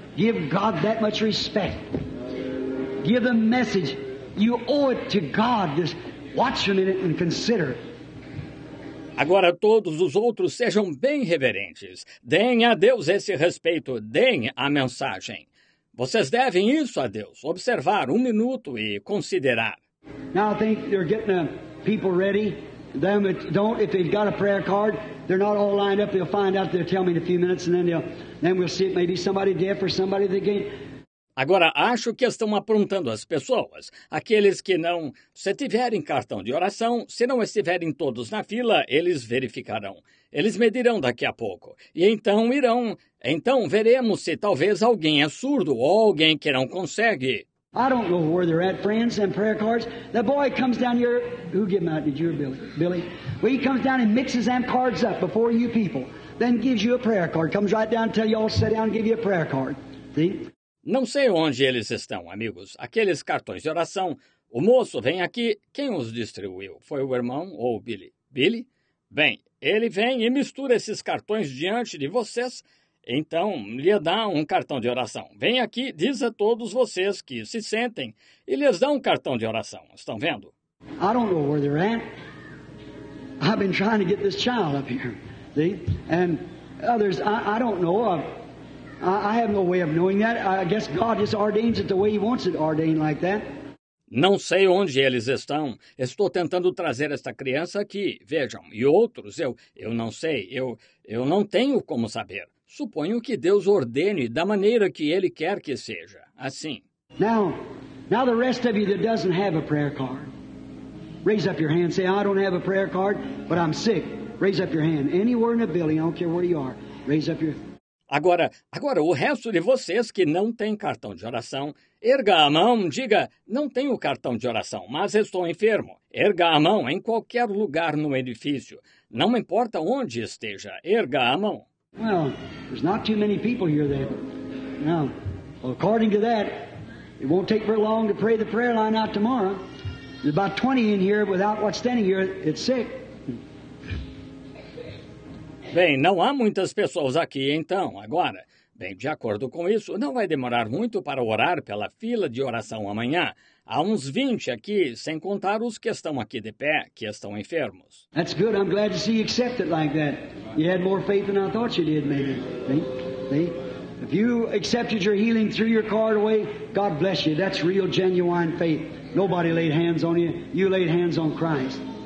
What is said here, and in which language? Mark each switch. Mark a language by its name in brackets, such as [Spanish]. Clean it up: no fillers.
[English] Give God that much respect. Give the message. You owe it to God. Just watch a minute and consider. [Portuguese] Agora todos os outros sejam bem reverentes. Deem a Deus esse respeito. Deem a mensagem. Vocês devem isso a Deus. Observar um minuto e considerar. [English] Now I think they're getting the people ready. Them don't, if they've got a prayer card, they're not all lined up. They'll find out. They'll tell me in a few minutes, and then we'll see if maybe somebody deaf or somebody that can't. [Portuguese] Agora, acho que estão aprontando as pessoas. Aqueles que não, se tiverem cartão de oração, se não estiverem todos na fila, eles verificarão. Eles medirão daqui a pouco. E então irão. Então veremos se talvez alguém é surdo ou alguém que não consegue. [English] I don't know where they're at, friends, and prayer cards. The boy comes down here. Who gave them out? Did you or Billy? Billy? Well, he comes down and mixes them cards up before you people. Then gives you a prayer card. Comes right down until you all sit down and give you a prayer card. See? [Portuguese] Não sei onde eles estão, amigos. Aqueles cartões de oração. O moço vem aqui. Quem os distribuiu? Foi o irmão ou o Billy? Billy? Bem, ele vem e mistura esses cartões diante de vocês. Então, lhe dá um cartão de oração. Vem aqui, diz a todos vocês que se sentem e lhes dá um cartão de oração. Estão vendo? [English] I don't know where they're at. I've been trying to get this child up here. See? And others, I don't know of. I have no way of knowing that. I guess God just ordains it the way he wants it ordained like that. [Portuguese] Não sei onde eles estão. Estou tentando trazer esta criança aqui. Vejam, e outros, eu não sei. Eu não tenho como saber. Suponho que Deus ordene da maneira que ele quer que seja. Assim. [English] Now the rest of you that doesn't have a prayer card. Raise up your hand. Say, I don't have a prayer card, but I'm sick. Raise up your hand. Anywhere in the building, I don't care where you are. Raise up your... [Portuguese] Agora, o resto de vocês que não tem cartão de oração, erga a mão, diga, não tenho cartão de oração, mas estou enfermo. Erga a mão em qualquer lugar no edifício. Não importa onde esteja, erga a mão. [English] Well, there's not too many people here then. Now, according to that, it won't take very long to pray the prayer line out tomorrow. There's about 20 in here without what's standing here. It's sick. [Portuguese] Bem, não há muitas pessoas aqui, então, agora. Bem, de acordo com isso, não vai demorar muito para orar pela fila de oração amanhã. Há uns 20 aqui, sem contar os que estão aqui de pé, que estão enfermos. [English] That's good. I'm glad to see you accept it like that. You had more faith than I thought you did, maybe. See? If you accepted your healing through your card away, God bless you. That's real, genuine faith. Nobody laid hands on you. You laid hands on Christ.